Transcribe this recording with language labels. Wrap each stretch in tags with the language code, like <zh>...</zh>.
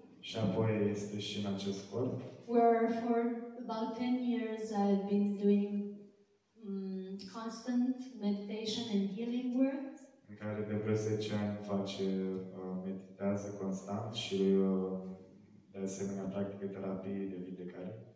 <ro>Și apoi este și în acest corp.</ro> <en>Where for about 10 years I've been doing constant meditation and healing work.</en> <ro>În care de vreo 10 ani face meditează constant și de asemenea practică terapie de vindecare.</ro>